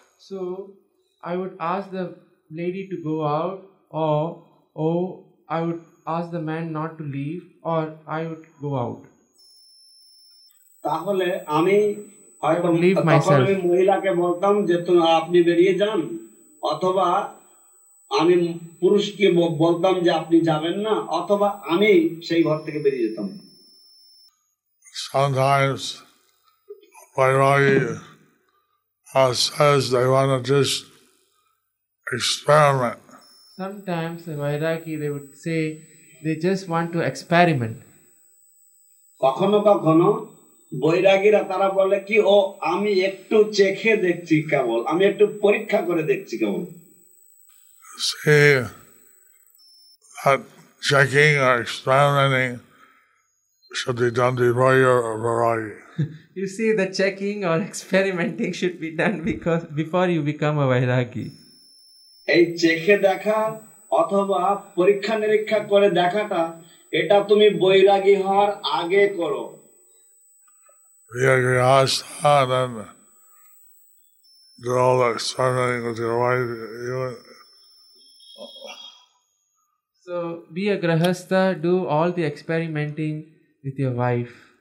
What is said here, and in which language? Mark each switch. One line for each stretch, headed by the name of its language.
English: So I would ask the lady to go out or I would ask the man not to leave or I would go out.
Bangla: তাহলে আমি তখন মহিলাকে বলতাম যে আপনি বেরিয়ে যান অথবা আমি পুরুষকে বলতাম যে আপনি যাবেন না অথবা আমি সেই ঘর থেকে বেরিয়ে যেতাম
English: Sometimes Vairagi says they want to just experiment. Sometimes Vairagi they would say they just want to experiment.
Bangla: কখনো কখনো বৈরাগীরা তারা বলে কি ও আমি একটু চেখে দেখছি কেবল আমি একটু পরীক্ষা করে দেখছি কেবল
English: See, that checking or experimenting should be done before your vairagi. You see, the checking or experimenting should be done before you become a vairagi.
Bangla: এই চেখে দেখা অথবা পরীক্ষা নিরীক্ষা করে দেখাটা এটা তুমি বৈরাগি হওয়ার আগে করো
English: Yeah, you ask that and do all the experimenting with your wife. So, be a grahastha, do all the experimenting with your wife.